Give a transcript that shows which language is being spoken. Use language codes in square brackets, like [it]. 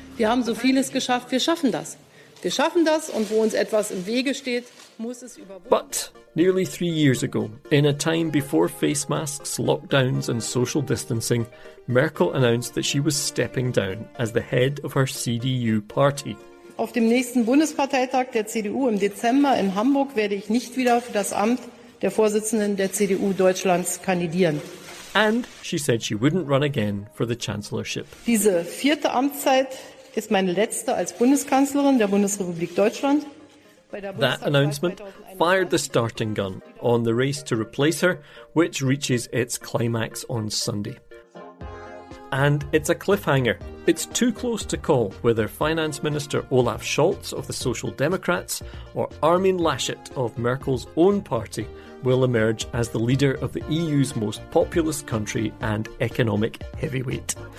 [de] Wir haben so vieles geschafft, wir schaffen das. Wir schaffen das, und wo uns etwas im Wege steht, muss es überwunden. [en] But nearly 3 years ago, in a time before face masks, lockdowns and social distancing, Merkel announced that she was stepping down as the head of her CDU party. [de] Auf dem nächsten Bundesparteitag der CDU im Dezember in Hamburg werde ich nicht wieder für das Amt der Vorsitzenden der CDU Deutschlands kandidieren. [en] And she said she wouldn't run again for the chancellorship. [de] Diese vierte Amtszeit ist meine letzte als Bundeskanzlerin der Bundesrepublik Deutschland. [en] That announcement fired the starting gun on the race to replace her, which reaches its climax on Sunday. And it's a cliffhanger. It's too close to call whether Finance Minister Olaf Scholz of the Social Democrats or Armin Laschet of Merkel's own party will emerge as the leader of the EU's most populous country and economic heavyweight.